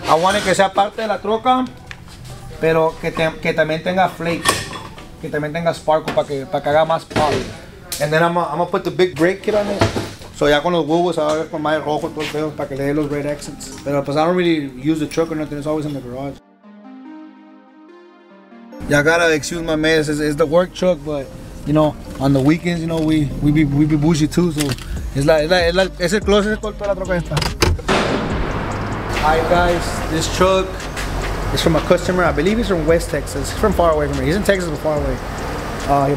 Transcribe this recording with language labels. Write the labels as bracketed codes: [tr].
[en] I want it [es] que sea parte de la troca, pero que también tenga flakes. Que también tenga sparkle para que haga más pop. [en] And then I'm gonna put the big brake kit on it. [es] So ya con los huevos, a ver con más rojo todo el pedo para que le dé los [en] red accents. [es] Pero pues [en] I don't really use the truck or nothing, it's always in the garage. Yeah, I gotta excuse my mess, it's the work truck, but you know, on the weekends, you know, we be bougie too, so it's el closest call [es] para la troca esta. [en] Hi guys, this truck is from a customer, I believe he's from West Texas, he's from far away from here, he's in Texas but far away.